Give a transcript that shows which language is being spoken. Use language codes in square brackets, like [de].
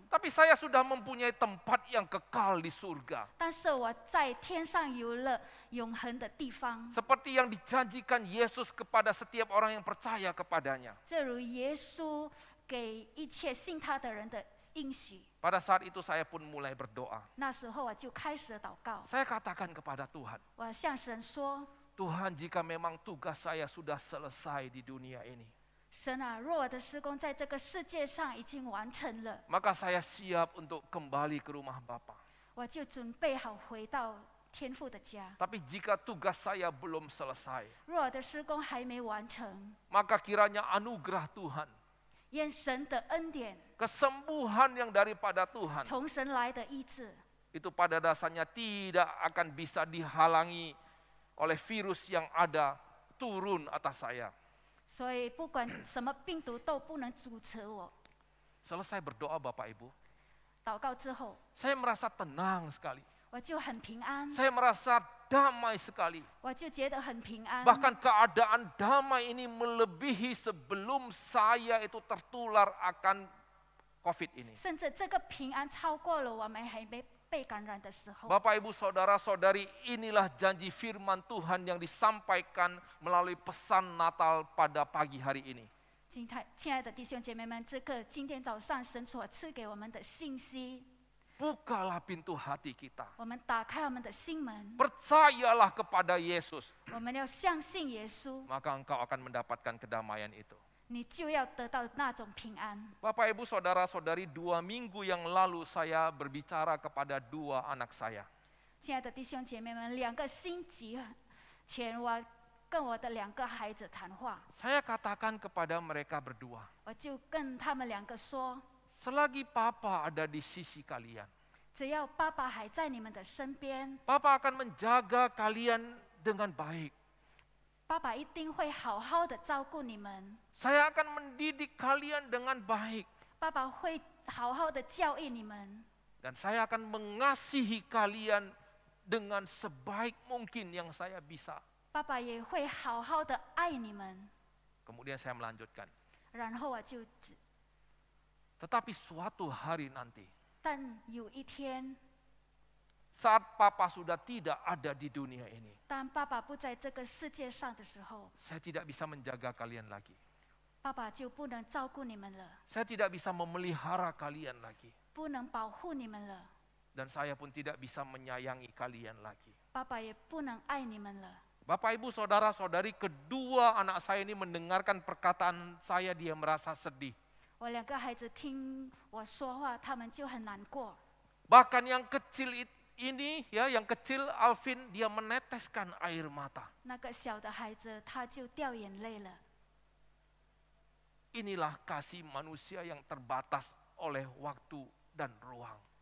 [id] tapi saya sudah mempunyai tempat yang kekal di surga. [zh] 但是我在天上有了永恒的地方, [id] seperti yang dijanjikan Yesus kepada setiap orang yang percaya kepadanya. [zh] 正如耶稣给一切信他的人的应许。 [id] Pada saat itu saya pun mulai berdoa. [zh] 那时候我就开始祷告。 [id] Saya katakan kepada Tuhan, [zh] 我向神说, [id] Tuhan, jika memang tugas saya sudah selesai di dunia ini, [zh] 神啊, 若我的事工在这个世界上已经完成了, [id] maka saya siap untuk kembali ke rumah Bapa. [zh] 我就准备好回到天父的家。 [id] Tapi jika tugas saya belum selesai, [zh] 若我的事工还没完成, [id] maka kiranya anugerah Tuhan, [zh] 愿神的恩典, [id] kesembuhan yang daripada Tuhan, [zh] 从神来的医治, [id] itu pada dasarnya tidak akan bisa dihalangi oleh virus yang ada turun atas saya. [zh] 所以不管什么病毒都不能阻止我。 [id] Selesai berdoa Bapak Ibu. [zh] 祷告之后, [id] saya merasa tenang sekali. [zh] 我就很平安, [id] saya merasa damai sekali. [zh] 我就觉得很平安, [id] bahkan keadaan damai ini melebihi sebelum saya itu tertular akan COVID ini. [zh] 甚至这个平安超过了我们还没被感染的时候。 [id] Bapak Ibu Saudara-saudari, inilah janji firman Tuhan yang disampaikan melalui pesan Natal pada pagi hari ini. [zh] 亲爱的弟兄姐妹们，这个今天早上神所赐给我们的信息。 [id] Bukalah pintu hati kita. [zh] 我们打开我们的心门。 [id] Percayalah kepada Yesus. [zh] 我们要相信耶稣。 [id] Maka engkau akan mendapatkan kedamaian itu. [zh] 你就要得到那种平安。 [id] Bapak Ibu Saudara-saudari, dua minggu yang lalu saya berbicara kepada dua anak saya. [zh] 亲爱的弟兄姐妹们，两个星期前我。跟我的两个孩子谈话, [id] saya katakan kepada mereka berdua, [zh] 我就跟他们两个说, [id] selagi Papa ada di sisi kalian, [zh] 只要爸爸还在你们的身边, [id] Papa akan menjaga kalian dengan baik, [zh] Papa 一定会好好的照顾你们, [id] saya akan mendidik kalian dengan baik, [zh] Papa 会好好的教育你们, [id] dan saya akan mengasihi kalian dengan sebaik mungkin yang saya bisa. [zh] Papa 也会好好的爱你们. [id] Kemudian saya melanjutkan. [zh] 然后我就, [id] tetapi suatu hari nanti. [zh] 但有一天, [id] saat Papa sudah tidak ada di dunia ini. [zh] 当爸爸不在这个世界上的时候, [id] saya tidak bisa menjaga kalian lagi. [zh] Papa 就不能照顾你们了. [id] Saya tidak bisa memelihara kalian lagi. [zh] 不能保护你们了. [id] Dan saya pun tidak bisa menyayangi kalian lagi. [zh] Papa 也不能爱你们了. [id] Bapak, Ibu, Saudara, Saudari, kedua anak saya ini mendengarkan perkataan saya, dia merasa sedih. [zh] 我两个孩子听我说话，他们就很难过。 [id] Bahkan yang kecil ini, ya, yang kecil Alvin, dia meneteskan air mata. [zh] 那个小的孩子，他就掉眼泪了。 [id] Inilah kasih manusia yang terbatas oleh waktu dan ruang.